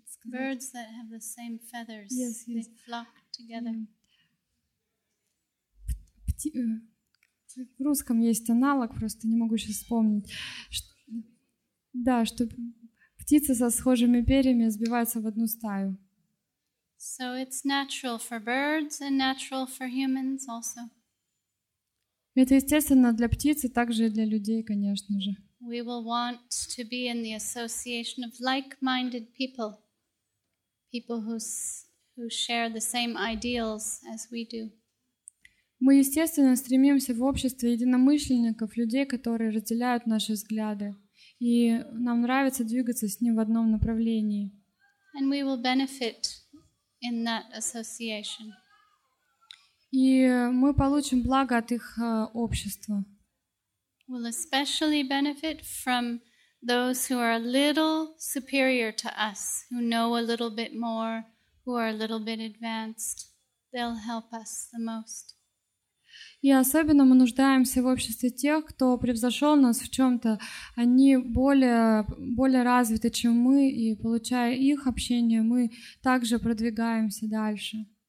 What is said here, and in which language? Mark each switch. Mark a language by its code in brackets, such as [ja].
[en] Birds that have the same feathers, yes, yes. They flock together. [ru] В русском есть аналог, просто не могу сейчас вспомнить. Да, что птицы со схожими перьями сбиваются в одну стаю. [en] So it's natural for birds and natural for humans also. [ru] Это естественно для птиц, также и для людей, конечно же. [en] We will want to be in the association of like-minded people. People who share the same ideals as we do. [ru] Мы естественно стремимся в обществе единомышленников, людей, которые разделяют наши взгляды. И нам нравится двигаться с ним в одном направлении. [en] And we will benefit in that association. [ru] И мы получим благо от их общества. [en] We'll especially benefit from those who are a little superior to us, who know a little bit more, who are a little bit advanced. They'll help us the most. [ru] И особенно мы нуждаемся в обществе тех, кто превзошел нас в чем-то. Они более развиты, чем мы, и получая их общение, мы также продвигаемся дальше.